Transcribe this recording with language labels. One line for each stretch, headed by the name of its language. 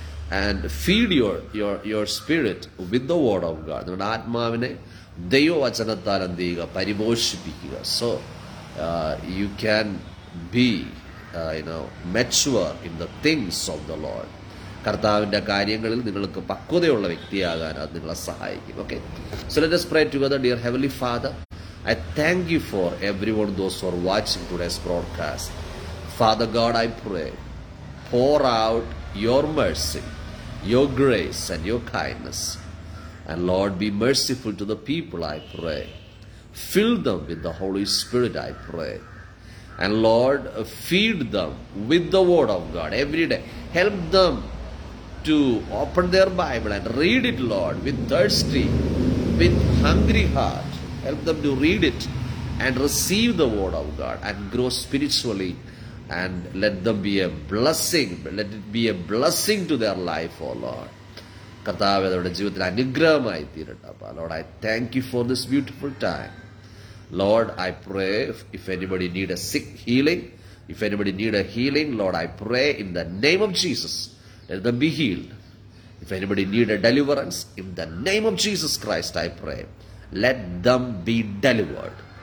English: And feed your spirit with the word of God.
Malayalam: നമ്മുടെ ആത്മാവിനെ ദൈവവചനത്താൽ എന്ത് ചെയ്യുക, പരിപോഷിപ്പിക്കുക.
English: So you can be you know mature in the things of the Lord.
Malayalam: കർത്താവിൻ്റെ കാര്യങ്ങളിൽ നിങ്ങൾക്ക് പക്വതയുള്ള വ്യക്തിയാകാൻ അത് നിങ്ങളെ സഹായിക്കും.
English: Okay, so let us pray together. Dear heavenly father, I thank you for everyone those for watching today's broadcast. Father God, I pray pour out your mercy, your grace and your kindness, and Lord be merciful to the people, I pray. Fill them with the Holy Spirit, I pray, And Lord, feed them with the word of God every day. Help them to open their Bible and read it, Lord, with thirsty, with hungry heart. Help them to read it and receive the word of God and grow spiritually. And let them be a blessing. Let it be a blessing to their life, O Lord.
Malayalam: കർത്താവ് അവരുടെ ജീവിതത്തിൽ അനുഗ്രഹമായി തീരട്ടെ.
English: അപ്പ Lord, I thank you for this beautiful time. Lord, I pray if anybody need a sick healing, if anybody need a healing, Lord, I pray in the name of Jesus let them be healed. If anybody need a deliverance in the name of Jesus Christ, I pray let them be delivered.